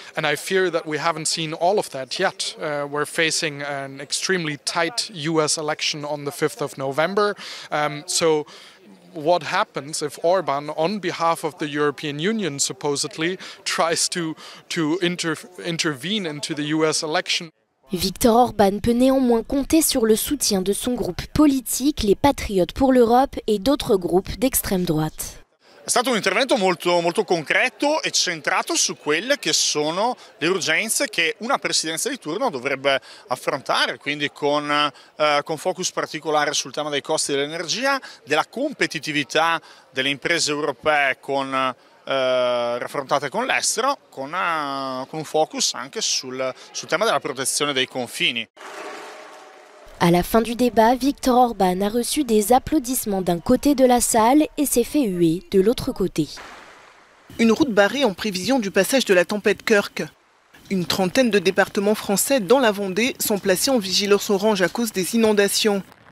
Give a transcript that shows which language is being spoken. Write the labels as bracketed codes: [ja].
[en] And I fear that we haven't seen all of that yet. We're facing an extremely tight US election on the 5th of November. What happens if Orban, on behalf of the European Union, supposedly, tries to intervene into the US election? [fr] Viktor Orban peut néanmoins compter sur le soutien de son groupe politique, les Patriotes pour l'Europe, et d'autres groupes d'extrême droite. [it] È stato un intervento molto, molto concreto e centrato su quelle che sono le urgenze che una presidenza di turno dovrebbe affrontare, quindi con focus particolare sul tema dei costi dell'energia, della competitività delle imprese europee raffrontate con l'estero, con un focus anche sul tema della protezione dei confini. [fr] À la fin du débat, Viktor Orban a reçu des applaudissements d'un côté de la salle et s'est fait huer de l'autre côté. Une route barrée en prévision du passage de la tempête Kirk. Une trentaine de départements français dans la Vendée sont placés en vigilance orange à cause des inondations.